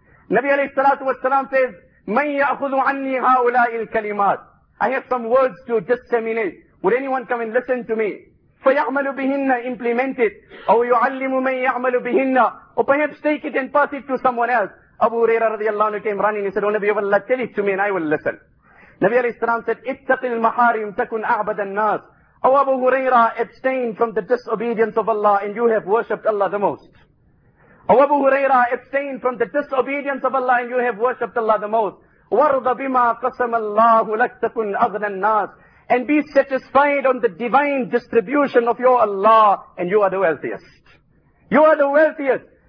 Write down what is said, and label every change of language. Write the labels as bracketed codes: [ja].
[en] Nabi alayhi salatu wa salam says, [ar] مَنْ يَأْخُذُ عَنِّي هَؤُلَاءِ الْكَلِمَاتِ [en] I have some words to disseminate. Would anyone come and listen to me? [ar] فَيَعْمَلُ بِهِنَّ [en] Implement it. [ar] أَوْ يُعَلِّمُ مَنْ يَعْمَلُ بِهِنَّ [en] Or perhaps take it and pass it to someone else. Abu Huraira radiallahu anhu came running. He said, O Nabi of Allah, tell it to me and I will listen. Nabi alayhi salam said, [ar] اتَّقِ الْمَحَارِمْ تَكُنْ أَعْبَدَ النَّاسِ. [en] O Abu Huraira, abstain from the disobedience of Allah, and you have worshipped Allah the most. O Abu Huraira, abstain from the disobedience of Allah, and you have worshipped Allah the most. [ar] وَرْضَ بِمَا قَسَمَ اللَّهُ لَكْ تَكُنْ أَغْنَى النَّاسِ. [en] And be satisfied on the divine distribution of your Allah, and you are the wealthiest. You are the wealthiest.